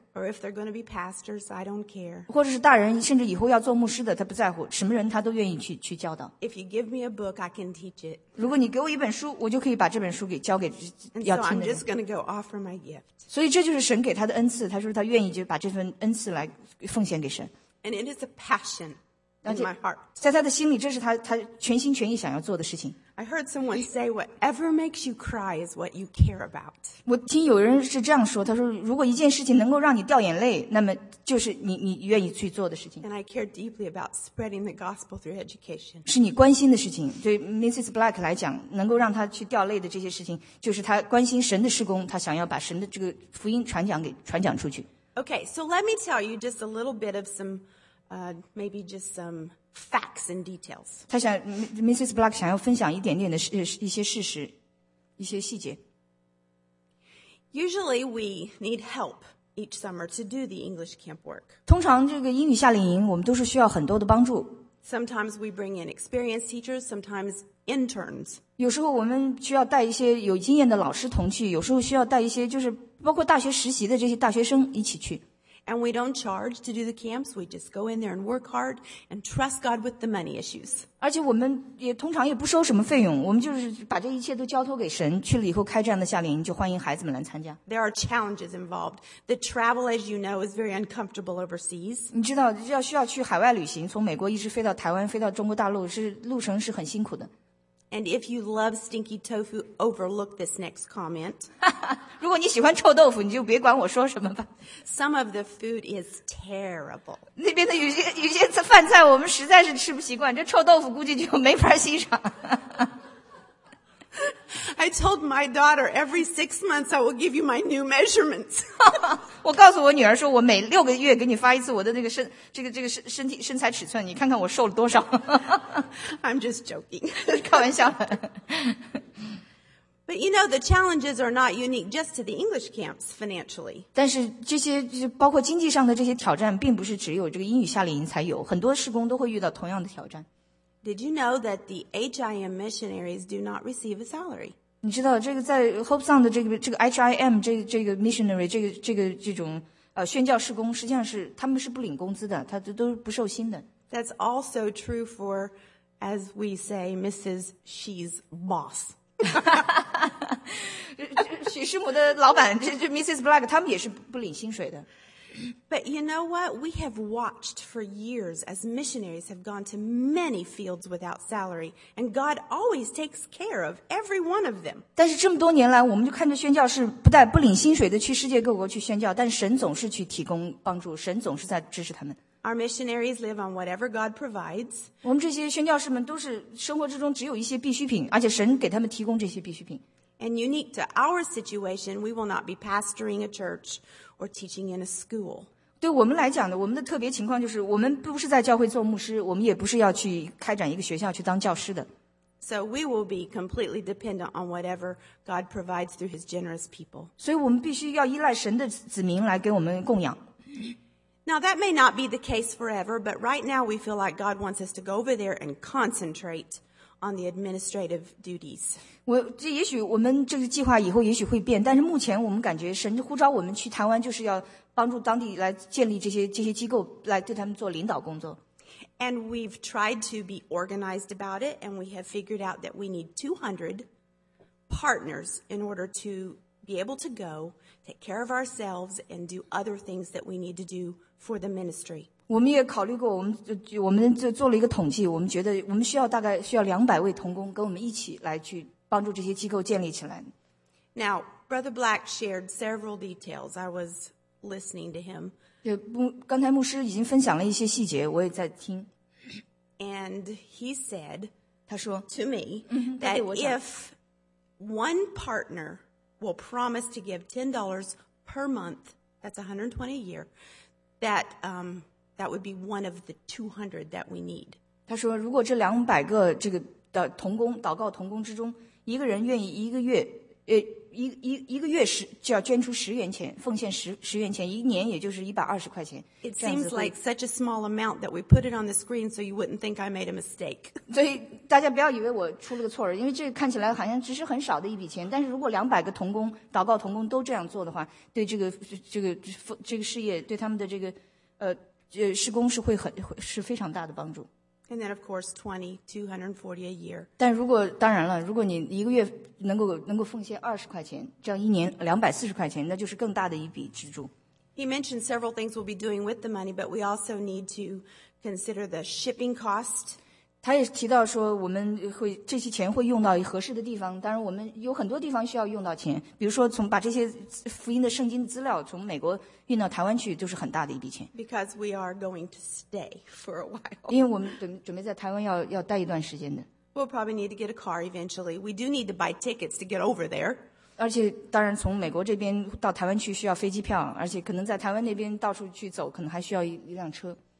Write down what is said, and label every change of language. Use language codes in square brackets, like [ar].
[en] Or if they're going to be pastors, I don't care. [zh] 或者是大人，甚至以后要做牧师的，他不在乎，什么人他都愿意去教导。 [en] If you give me a book, I can teach it. [zh] 如果你给我一本书，我就可以把这本书给教给要听的人。 [en] And so I'm just going to go offer my gift. [zh] 所以这就是神给他的恩赐，他说他愿意就把这份恩赐来奉献给神。 [en] And it is a passion in my heart. [zh] 在他的心里，这是他全心全意想要做的事情。 [en] I heard someone say, "Whatever makes you cry is what you care about." [zh] 我听有人是这样说，他说，如果一件事情能够让你掉眼泪，那么就是你愿意去做的事情。 [en] And I care deeply about spreading the gospel through education. [zh] 是你关心的事情。对 Mrs. Black 来讲，能够让她去掉泪的这些事情，就是她关心神的事工，她想要把神的这个福音传讲出去。 [en] Okay, so let me tell you just a little bit of some, maybe just some. Facts and details. [zh] 他想 Mrs. Black 想要分享一点点的一些事实，一些细节。 [en] Usually we need help each summer to do the English camp work. [zh] 通常这个英语夏令营，我们都是需要很多的帮助。 [en] Sometimes we bring in experienced teachers. Sometimes interns. [zh] 有时候我们需要带一些有经验的老师同去，有时候需要带一些就是包括大学实习的这些大学生一起去。 [en] And we don't charge to do the camps. We just go in there and work hard and trust God with the money issues. [zh] 而且我们也通常也不收什么费用，我们就是把这一切都交托给神。去了以后开这样的夏令营，就欢迎孩子们来参加。 [en] There are challenges involved. The travel, as you know, is very uncomfortable overseas. [zh] 你知道，要需要去海外旅行，从美国一直飞到台湾，飞到中国大陆，是路程是很辛苦的。 [en] And if you love stinky tofu, overlook this next comment. [zh] 如果你喜欢臭豆腐，你就别管我说什么吧。 [en] Some of the food is terrible. [zh] 那边的有些饭菜我们实在是吃不习惯，这臭豆腐估计就没法欣赏。 [en] I told my daughter every 6 months I will give you my new measurements. [zh] 我告诉我女儿说，我每六个月给你发一次我的那个身这个身体身材尺寸，你看看我瘦了多少。 [en] I'm just joking. [zh] 开玩笑。 [en] But you know the challenges are not unique just to the English camps financially. [zh] 但是这些就包括经济上的这些挑战，并不是只有这个英语夏令营才有，很多事工都会遇到同样的挑战。 [en] Did you know that the HIM missionaries do not receive a salary? [zh] 你知道这个在 Hope Sound 的这个 HIM 这个 missionary 这种宣教事工，实际上是他们是不领工资的，他都不受薪的。 [en] That's also true for, as we say, Mrs. She's boss. [zh] 许师母的老板，这 Mrs. Black 他们也是不领薪水的。 [en] But you know what? We have watched for years as missionaries have gone to many fields without salary, and God always takes care of every one of them. [zh] 但是这么多年来，我们就看着宣教士不领薪水的去世界各国去宣教，但神总是去提供帮助，神总是在支持他们。 [en] Our missionaries live on whatever God provides. [zh] 我们这些宣教士们都是生活之中只有一些必需品，而且神给他们提供这些必需品。 [en] And unique to our situation, we will not be pastoring a church. Or teaching in a school. [zh] 对我们来讲呢，我们的特别情况就是，我们不是在教会做牧师，我们也不是要去开展一个学校去当教师的。 [en] So we will be completely dependent on whatever God provides through His generous people. [zh] 所以我们必须要依赖神的子民来给我们供养。 [en] Now that may not be the case forever, but right now we feel like God wants us to go over there and concentrate on the administrative duties. [zh] 我这也许我们这个计划以后也许会变，但是目前我们感觉神呼召我们去台湾就是要帮助当地来建立这些机构，来对他们做领导工作。 [en] And we've tried to be organized about it, and we have figured out that we need 200 partners in order to be able to go, take care of ourselves, and do other things that we need to do for the ministry. [zh] 我们也考虑过，我们就做了一个统计，我们觉得我们大概需要200位同工跟我们一起来去帮助这些机构建立起来。 [en] Now, Brother Black shared several details. I was listening to him. [zh] 刚才牧师已经分享了一些细节，我也在听。 [en] And he said, [zh] 他说 [en] to me, that if one partner will promise to give $10 per month, that's $120 a year, that, that would be one of the 200 that we need. [zh] 他说如果这200个这个的同工祷告同工之中一个人愿意一个月是就要捐出10元钱，奉献十元钱，一年也就是120块钱。 [en] It seems like such a small amount that we put it on the screen so you wouldn't think I made a mistake. [zh] 所以大家不要以为我出了个错，因为这看起来好像只是很少的一笔钱，但是如果200个同工祷告同工都这样做的话，对这个事业，对他们的这个施工是会很是非常大的帮助。 [en] And then, of course, 240 a year. [zh] 但如果当然了，如果你一个月能够奉献20块钱，这样一年240块钱，那就是更大的一笔支出。 [en] He mentioned several things we'll be doing with the money, but we also need to consider the shipping cost. [zh] 他也提到说，我们会这些钱会用到合适的地方。当然，我们有很多地方需要用到钱，比如说从把这些福音的圣经资料从美国运到台湾去，就是很大的一笔钱。 [en] Because we are going to stay for a while. [zh] 因为我们准备在台湾要待一段时间的。 [en] We'll probably need to get a car eventually. We do need to buy tickets to get over there. [zh] 而且当然，从美国这边到台湾去需要飞机票，而且可能在台湾那边到处去走，可能还需要一辆车。